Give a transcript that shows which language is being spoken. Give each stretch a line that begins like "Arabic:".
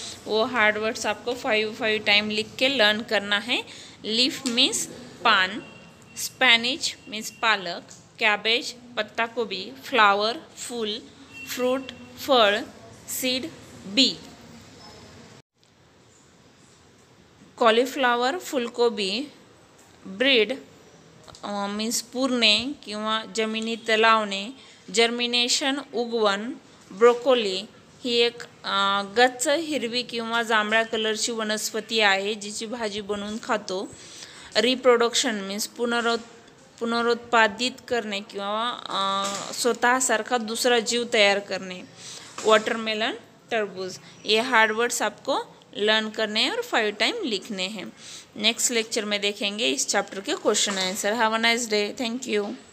Hindi: वो hard words आपको 5-5 time लिख के लर्न करना है. लीफ मीन्स पान, स्पैनिश मीन्स पालक, कैबेज पत्ता गोभी, फ्लावर फूल, फ्रूट फल, सीड बी.
Marathi: कॉलीफ्लावर फूलकोबी, ब्रीड मीन्स पुरने किंवा जमिनीत लावणे, जर्मिनेशन उगवण, ब्रोकोली ही एक गच्च हिरवी किंवा जांभळ्या कलरची वनस्पती आहे जिची भाजी बनवून खातो. रिप्रोडक्शन मीन्स पुनरुत्पादित करणे किंवा स्वतःसारखा दुसरा जीव तयार करणे.
Hindi: वॉटरमेलन टरबूज, ये हार्ड वर्ड्स आपको लर्न करने हैं और 5 टाइम लिखने हैं. नेक्स्ट लेक्चर में देखेंगे इस चैप्टर के question answer.
English: Have a nice day. Thank you.